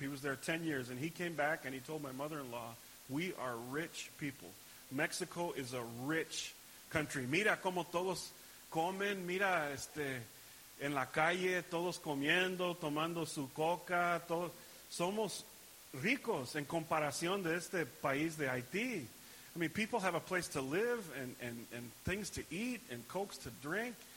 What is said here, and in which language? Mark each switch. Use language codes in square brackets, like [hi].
[en] He was there 10 years and he came back and he told my mother-in-law, we are rich people. Mexico is a rich country. [es] Mira cómo todos comen, mira en la calle, todos comiendo, tomando su coca, todos somos ricos en comparación de este país de Haití. [en] I mean, people have a place to live and things to eat and cokes to drink.